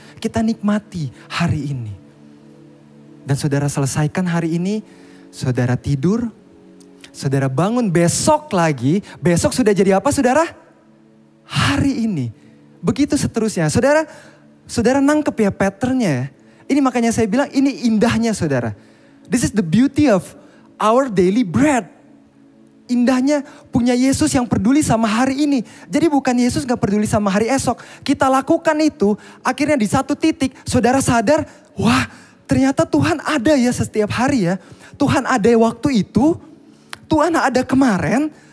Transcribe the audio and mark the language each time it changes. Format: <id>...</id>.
<id>Kita nikmati hari ini. Dan saudara selesaikan hari ini, saudara tidur, saudara bangun besok lagi, besok sudah jadi apa saudara? Hari ini. Begitu seterusnya. Saudara nangkep ya patternnya. Ini makanya saya bilang ini indahnya saudara.</id> <en>This is the beauty of our daily bread.</en> <id>Indahnya punya Yesus yang peduli sama hari ini. Jadi bukan Yesus gak peduli sama hari esok. Kita lakukan itu, akhirnya di satu titik saudara sadar, wah, ternyata Tuhan ada ya setiap hari ya. Tuhan ada waktu itu. Tuhan ada kemarin.</id>